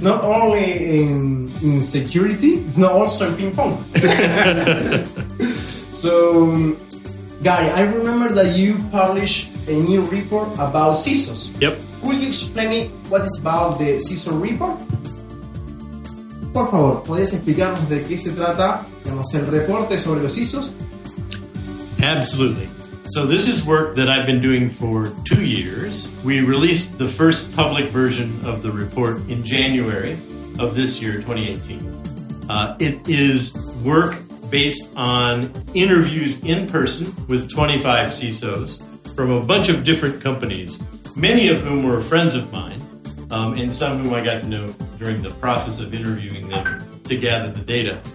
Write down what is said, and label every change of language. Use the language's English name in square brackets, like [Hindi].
[English] Not only in security, but also in ping-pong. So, Gary, I remember that you published a new report about CISOs. Yep. Could you explain it, what is about the CISO report? [Spanish] Por favor, ¿podrías explicarnos de qué se trata, digamos, el reporte sobre los CISOs? [English] Absolutely. So this is work that I've been doing for 2 years. We released the first public version of the report in January, of this year, 2018. It is work based on interviews in person with 25 CISOs from a bunch of different companies, many of whom were friends of mine, and some whom I got to know during the process of interviewing them to gather the data.